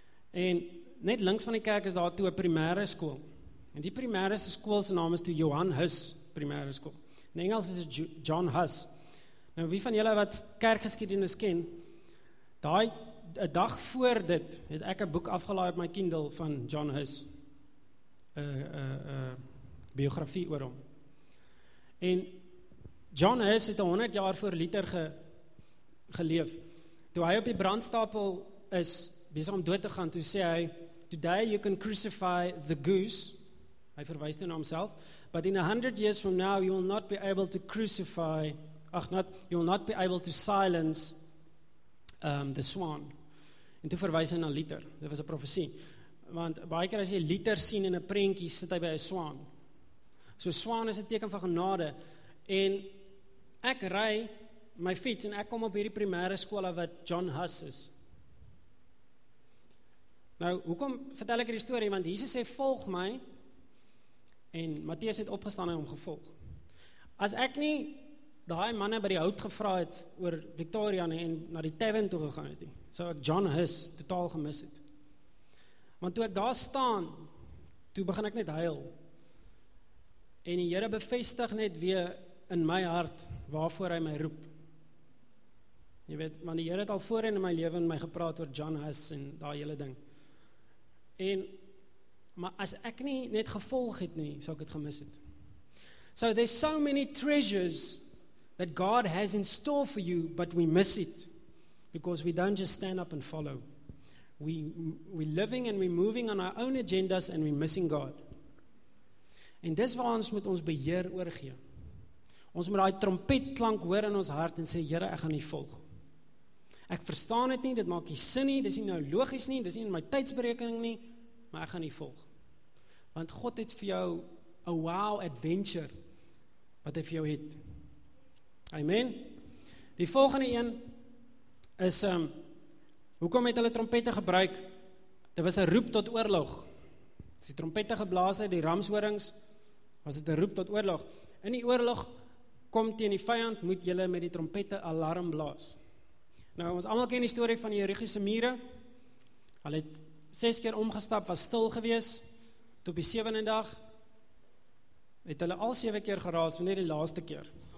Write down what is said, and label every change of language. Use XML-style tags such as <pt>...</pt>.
<af>En net links van die kerk is daar toe 'n primêre skool. En die primêre skool se naam is toe Johan Huss Primêre Skool. In Engels is dit John Huss. Nou wie van julle wat kerkgeskiedenis ken, daai 'n dag voor dit het ek 'n boek afgelaai op my Kindle van John Huss. 'n biografie oor hom. En John Huss het 100 jaar voor Luther geleef. Toe hy op die brandstapel is besig om dood te gaan, toe sê hy,</af> <en>"Today you can crucify the goose."</en> <af>Hy verwys toe na homself,</af> <en>"But in 100 years from now you will not be able to crucify, you will not be able to silence the swan."</en> <af>En toe verwys hy na Luther. Dit was 'n profesie. Want baie keer as jy Luther sien in 'n prentjie, sit hy by 'n swan. So swan is 'n teken van genade. En ek ry my fiets en ek kom op hierdie primêre skool wat John Huss is. Nou, hoekom vertel ek hierdie storie? Want Jesus sê, volg my, en Matteus het opgestaan en hom gevolg. As ek nie daai manne by die hout gevra het oor Victoria nie, en na die tavern toe gegaan het nie, sou ek John Huss totaal gemis het. Want toe ek daar staan, toe begin ek net huil. En die Here bevestig net weer in my hart waarvoor hy my roep. Jy weet, want die Here het al voorheen in my lewe en my gepraat oor John Huss en daai hele ding. En, maar as ek nie net gevolg het nie, sou ek het gemis het.</af> <en>So there's so many treasures that God has in store for you, but we miss it. Because we don't just stand up and follow. We're living and we're moving on our own agendas and we're missing God.</en> <af>En dis waar ons moet ons beheer oorgee. Ons moet daai trompetklank hoor in ons hart en sê, Here, ek gaan nie volg. Ek verstaan dit nie, dit maak nie sin nie, dis nie nou logies nie, dis nie in my tydsberekening nie, maar ek gaan nie volg. Want God het vir jou</af> <en>a wow adventure</en> <af>wat hy vir jou het. Amen. Die volgende een is, hoekom het hulle trompette gebruik? Dit was 'n roep tot oorlog. As die trompette geblaas het, die ramshorings, was dit 'n roep tot oorlog. In die oorlog kom teen die vyand, moet julle met die trompette alarm blaas. Nou, ons allemaal ken die story van die Jerigose mure. Hulle het 6 keer omgestap, was stil gewees, tot op die 7de dag, het hulle al 7 keer geraas, van net die laaste keer.</af>